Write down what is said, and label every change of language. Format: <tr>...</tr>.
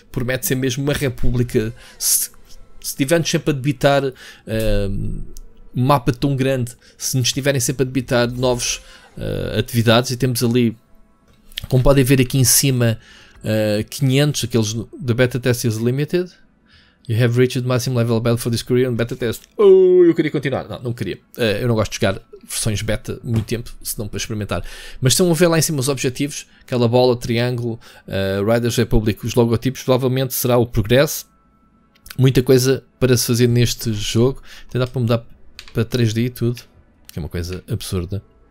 <pt>Promete ser mesmo uma república. Se tivermos sempre a debitar um mapa tão grande. Se nos tiverem sempre a debitar novos atividades. E temos ali, como podem ver aqui em cima, 500, aqueles da Beta Test is Limited.</pt> <en>You have reached maximum level battle for this career in beta test.</en> <pt>Oh, eu queria continuar. Não, não queria. Eu não gosto de jogar versões beta muito tempo, se não para experimentar. Mas estão a ver lá em cima os objetivos. Aquela bola, triângulo, Riders Republic, os logotipos. Provavelmente será o Progress. Muita coisa para se fazer neste jogo. Até dá para mudar para 3D e tudo. Que é uma coisa absurda.</pt>